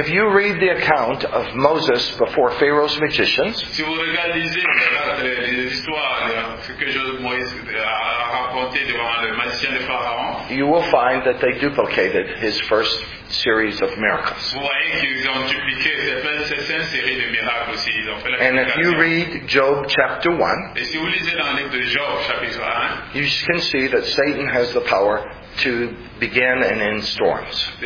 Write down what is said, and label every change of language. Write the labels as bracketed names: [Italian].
[English] If you read the account of Moses before Pharaoh's magicians, [French] si vous regardez l'histoire, ce que Moïse a raconté devant le magicien de Pharaon, [English] you will find that they duplicated his first series of miracles. [French] Vous voyez qu'ils ont dupliqué cette série de miracles aussi. Ils ont fait la [English] and if you read Job chapter 1, [French] et si vous lisez dans le livre de Job chapitre 1, [English] you can see that Satan has the power to begin and end storms.